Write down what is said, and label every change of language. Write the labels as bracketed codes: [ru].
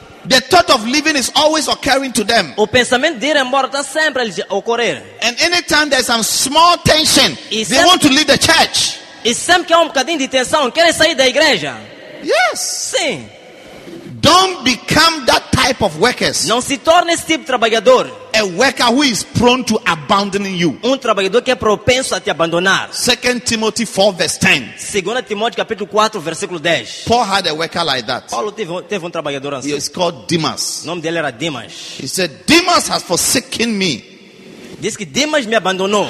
[en] The thought of leaving is always occurring to them. [pt] O pensamento de ir embora está sempre a ocorrer. [en] And anytime there's some small tension, they want to leave the church. [pt] E sempre que há um bocadinho de tensão, querem sair da igreja. [en] Yes. [pt] Sim. [en] Don't become that type of workers. [pt] Não se torne esse tipo de trabalhador. [en] A worker who is prone to abandoning you. [pt] Um trabalhador que é propenso a te abandonar. [en] 2 Timothy 4 verse 10. [pt] 2 Timóteo capítulo 4 versículo 10. [en] Paul had a worker like that. [pt] Paulo teve um trabalhador assim. [en] He is called Demas. [pt] O nome dele era Demas. [en] He said, Demas has forsaken me. [pt] Diz que Demas me abandonou.